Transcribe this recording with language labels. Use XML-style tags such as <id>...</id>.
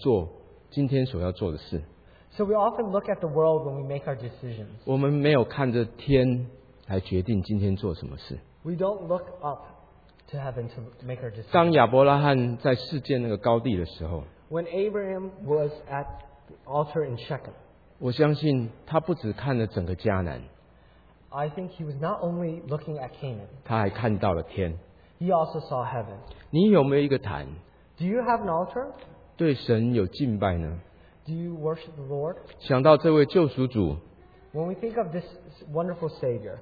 <zh>所以我们常常是看着地来做今天所要做的事。</zh> <en>So we often look at the world when we make our decisions.</en> <zh>我们没有看着天来决定今天做什么事。</zh> <en>We don't look up to heaven to make our decisions.</en> <zh>当亚伯拉罕在世界那个高地的时候,</zh> <en>when Abraham was at the altar in Shechem,</en> <zh>我相信他不只看了整个迦南,</zh> <en>I think he was not only looking at Canaan.</en> <zh>他还看到了天,</zh> <en>he also saw heaven.</en> <zh>你有没有一个坛,</zh> <en>do you have an altar?</en> <zh>对神有敬拜呢?</zh> <en>Do you worship the Lord?</en> <zh>想到这位救赎主,</zh> <en>when we think of this wonderful Savior,</en>